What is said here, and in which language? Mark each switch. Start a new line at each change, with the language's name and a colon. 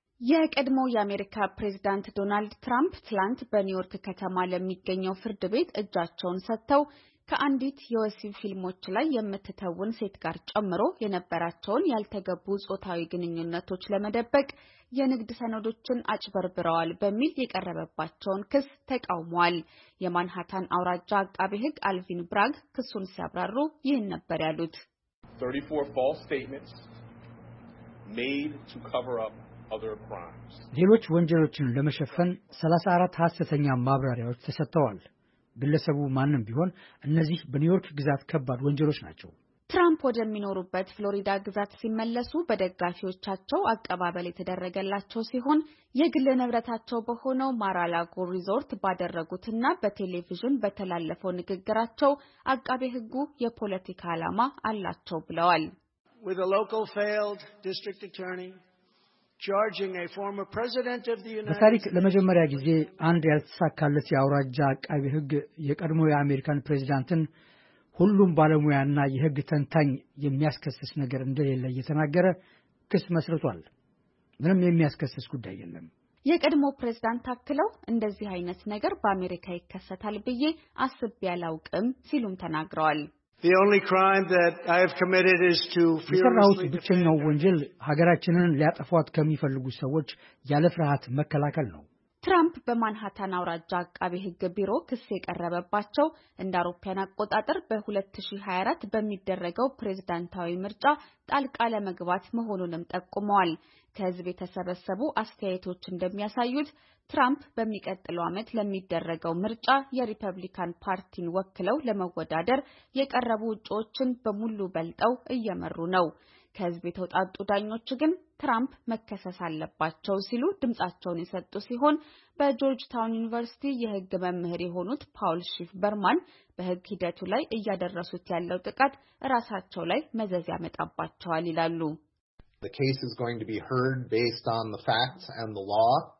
Amharic: የቀድሞው የአሜሪካ ፕሬዝዳንት ዶናልድ ትራምፕ ትላንት በኒውዮርክ ከተማ ለሚገኘው ፍርድ ቤት እጃቸውን ሰጥተው ከአንዲት የወሲብ ፊልሞች ላይ የምትተውን ሴት ጋር ጨምሮ የነበራቸውን ያልተገቡ ጾታዊ ግንኙነቶች ለመደበቅ የንግድ ሰነዶችን አጭበርብረዋል በሚል የቀረበባቸውን ክስ ተቃውመዋል። የማንሃታን አውራጃ አቃቤ ሕግ አልቪን ብራግ ክሱን ሲያብራሩ ይህን ነበር ያሉት።
English: 34 false statements made to cover up other crimes.
Amharic: ሌሎች ወንጀሎችን ለመሸፈን 34 ሐሰተኛ ማብራሪያዎች ተሰጥተዋል። ግለሰቡ ማንም ቢሆን እነዚህ በኒውዮርክ ግዛት ከባድ ወንጀሎች ናቸው። ትራምፕ ወደሚኖሩበት ፍሎሪዳ ግዛት ሲመለሱ በደጋፊዎቻቸው አቀባበል የተደረገላቸው ሲሆን የግል ንብረታቸው በሆነው ማራላጎ ሪዞርት ባደረጉትና በቴሌቪዥን በተላለፈው ንግግራቸው አቃቤ ሕጉ የፖለቲካ ዓላማ አላቸው ብለዋል።
English: With a local failed district attorney charging a former president of the United States.
Amharic: በታሪክ ለመጀመሪያ ጊዜ አንድ ያልተሳካለት የአውራጃ አቃቤ ሕግ የቀድሞ የአሜሪካን ፕሬዝዳንትን ሁሉም ባለሙያና የሕግ ተንታኝ የሚያስከስስ ነገር እንደሌለ እየተናገረ ክስ መስርቷል። ምንም የሚያስከስስ ጉዳይ የለም። የቀድሞ ፕሬዝዳንት አክለው እንደዚህ አይነት ነገር በአሜሪካ ይከሰታል ብዬ አስቤ ያላውቅም ሲሉም ተናግረዋል።
English: The only crime that I have committed is to fearlessly
Amharic: ብቸኛው ወንጀል ሀገራችንን ሊያጠፋት ከሚፈልጉ ሰዎች ያለፍርሃት መከላከል ነው። ትራምፕ በማንሃታን አውራጃ አቃቤ ሕግ ቢሮ ክስ የቀረበባቸው እንደ አውሮፓውያን አቆጣጠር በ2024 በሚደረገው ፕሬዝዳንታዊ ምርጫ ጣልቃ ለመግባት መሆኑንም ጠቁመዋል። ከህዝብ የተሰበሰቡ አስተያየቶች እንደሚያሳዩት ትራምፕ በሚቀጥለው ዓመት ለሚደረገው ምርጫ የሪፐብሊካን ፓርቲን ወክለው ለመወዳደር የቀረቡ እጩዎችን በሙሉ በልጠው እየመሩ ነው። ከህዝብ የተውጣጡ ዳኞች ግን ትራምፕ መከሰስ አለባቸው ሲሉ ድምጻቸውን የሰጡ ሲሆን በጆርጅ ታውን ዩኒቨርሲቲ የህግ መምህር የሆኑት ፓውል ሺፍ በርማን በህግ ሂደቱ ላይ እያደረሱት ያለው ጥቃት ራሳቸው ላይ መዘዝ ያመጣባቸዋል ይላሉ።
English: The case is going to be heard based on the facts and the law.